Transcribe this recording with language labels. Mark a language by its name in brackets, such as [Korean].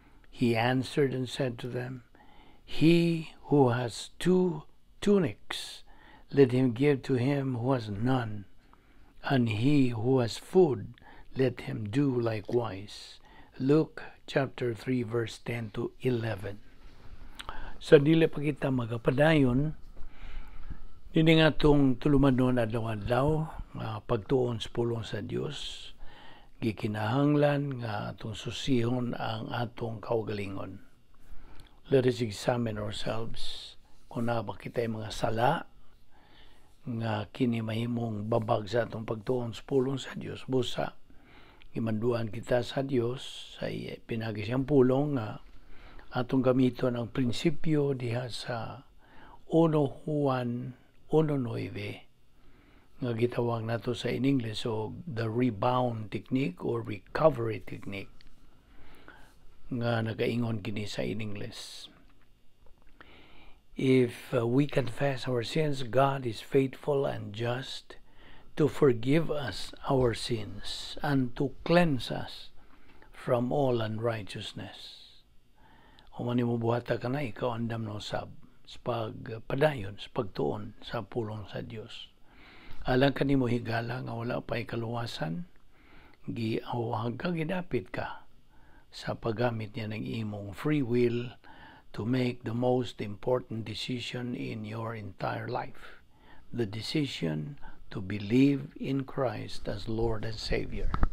[English] He answered and said to them, 'He who has two tunics, let him give to him who has none, and he who has food, let him do likewise.'" Luke 3:10-11. [Cebuano] So dili pa kita magapadayon dini nga tong tulumanon adlaw-adlaw pagtuon sapulong sa Dios, gikinahanglan nga atong susihon ang atong kaugalingon. [English] Let us examine ourselves [Cebuano] kung na ba kita'y mga sala nga kini mahimong babag sa atong pagtuon sapulong sa Dios. Busa imanduan kita sa Dios sa pinagi siyang pulong nga atong gamiton ang prinsipyo diha sa 1 Juan 1:9 nga gitawag nato sa in English o [English] the rebound technique or recovery technique [Cebuano] nga nagaingon kini sa in English. [English] "If we confess our sins, God is faithful and just to forgive us our sins and to cleanse us from all unrighteousness." [Cebuano] O mani mo buhata ka na, ikaw ang damno sab sa pagpadayon, sa pagtuon, sa pulong sa Dios. Alang ka ni mo higala nga wala pa'y kaluwasan, gagidapit ka sa paggamit niya ng imong [English] free will to make the most important decision in your entire life, the decision to believe in Christ as Lord and Savior.